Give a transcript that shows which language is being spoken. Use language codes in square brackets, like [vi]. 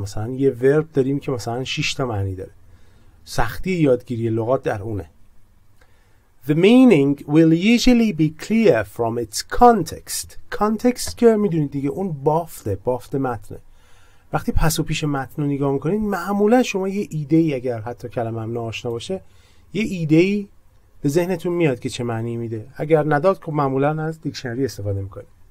[fa] مثلا یه verb داریم که مثلا 6 تا معنی داره. سختی یادگیری لغات در اونه. [en] The meaning will usually be clear from its context. [fa] Context که میدونید دیگه اون بافت متنه. وقتی پس و پیش متن رو نگاه میکنید معمولا شما یه ایده ای، اگر حتی کلمه هم ناآشنا باشه، یه ایده ای به ذهنتون میاد که چه معنی میده. اگر نداد که معمولا از دیکشنری استفاده میکنید.